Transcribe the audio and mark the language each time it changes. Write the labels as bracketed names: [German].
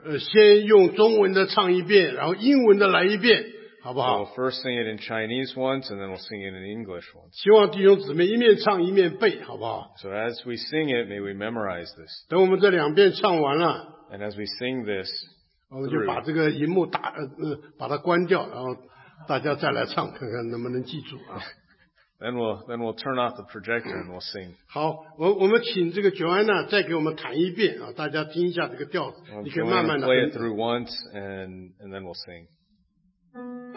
[Chinese] 这个, 先用中文的唱一遍, 然后英文的来一遍, 好不好? [English] So we'll first sing it in Chinese once, and then we'll sing it in English once. [Chinese] 希望弟兄姊妹一面唱一面背, 好不好? [English] So as we sing it, may we memorize this. [Chinese] 等我们这两遍唱完了, [English] and as we sing this, [Chinese] 我们就把这个荧幕打, 把它关掉, 然后大家再来唱, 看看能不能记住, [English] then we'll turn off the projector and we'll sing. [Chinese] 好, 我们请这个 Joanna 再给我们弹一遍, 大家听一下这个调子, 你可以慢慢的, [English] play it through once and then we'll sing.